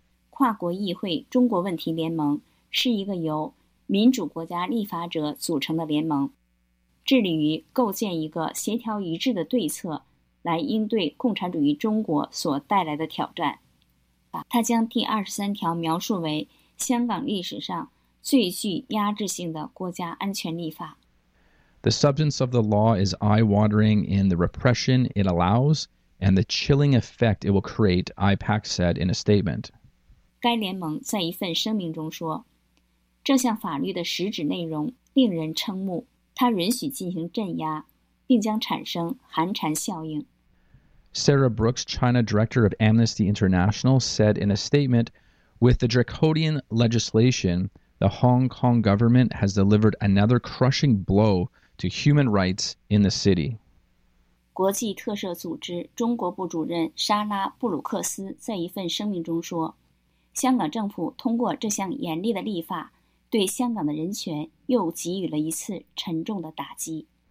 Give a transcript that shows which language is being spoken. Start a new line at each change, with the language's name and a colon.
Chinese: 跨国议会中国问题联盟是一个由民主国家立法者组成的联盟。致力于构建一个协调一致的对策来应对共产主义中国所带来的挑战。他将第二十三条描述为香港历史上最具压制性的国家安全立法。
English: The substance of the law is eye-watering in the repression it allows and the chilling effect it will create, IPAC said in a statement.
Chinese: 该联盟在一份声明中说，这项法律的实质内容令人瞠目。它允许进行镇压，并将产生寒蝉效应。
English: Sarah Brooks, China Director of Amnesty International, said in a statement, With the draconian legislation, the Hong Kong government has delivered another crushing blow to human rights in the city.
Chinese: 国际特赦组织中国部主任莎拉·布鲁克斯在一份声明中说，香港政府通过这项严厉的立法对香港的人权又给予了一次沉重的打击。